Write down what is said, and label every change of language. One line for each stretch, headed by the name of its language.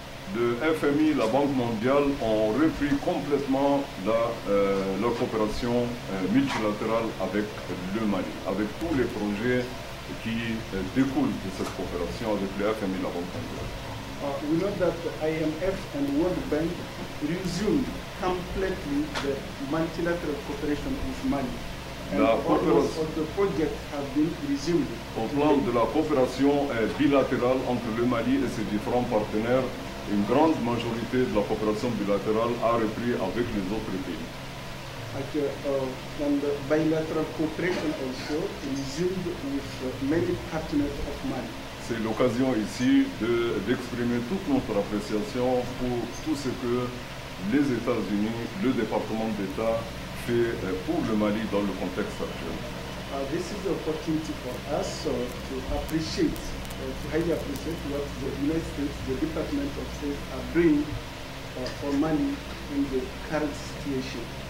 French: De FMI, la Banque mondiale, ont repris complètement leur coopération multilatérale avec le Mali, avec tous les projets qui découlent de cette coopération avec le FMI, la Banque mondiale.
English: We know that the IMF and World Bank resumed completely the multilateral cooperation with Mali. And all the projects have been resumed.
French: Au plan de la coopération bilatérale entre le Mali et ses différents partenaires, une grande majorité de la coopération bilatérale a repris avec les autres pays.
English: And the bilateral cooperation also resumed with many partners of Mali.
French: C'est l'occasion ici d'exprimer toute notre appréciation pour tout ce que les États-Unis, le département d'État, fait pour le Mali dans le contexte actuel.
English: This is the opportunity for us to appreciate, to highly appreciate what the United States, the Department of State, are bringing for Mali in the current situation.